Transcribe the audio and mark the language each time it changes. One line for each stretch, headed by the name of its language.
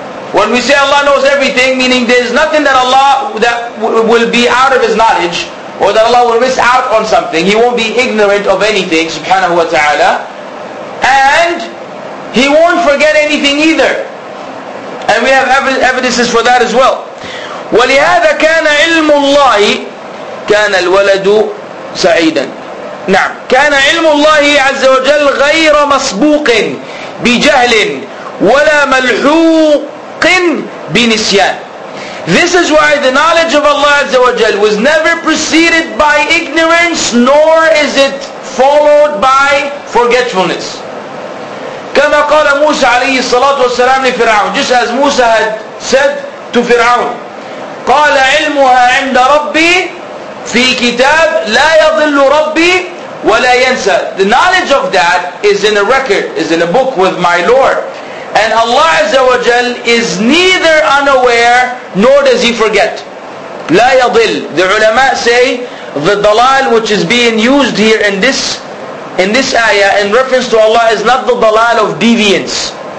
English: When we say Allah knows everything, meaning there's nothing that Allah that will be out of His knowledge, or that Allah will miss out on something. He won't be ignorant of anything, subhanahu wa ta'ala. And He won't forget anything either. And we have evidences for that as well.
Arabic: ولهذا كان علم الله كان الولد سعيدا. نعم كان علم الله عز وجل غير مسبوق بجهل ولا ملحوق بنسيان.
English: This is why the knowledge of Allah Azza wa Jal was never preceded by ignorance, nor is it followed by forgetfulness.
Arabic: كما قال موسى عليه الصلاة والسلام لفرعون,
English: just as Musa had said to Fir'aun,
Arabic: قال علمها عند ربي في كتاب لا يضل ربي ولا ينسى.
English: The knowledge of that is in a record, is in a book with my Lord. And Allah Azza wa Jal is neither unaware nor does He forget.
Arabic: لا يضل.
English: The ulama say the dalal which is being used here in this ayah in reference to Allah is not the dalal of deviance.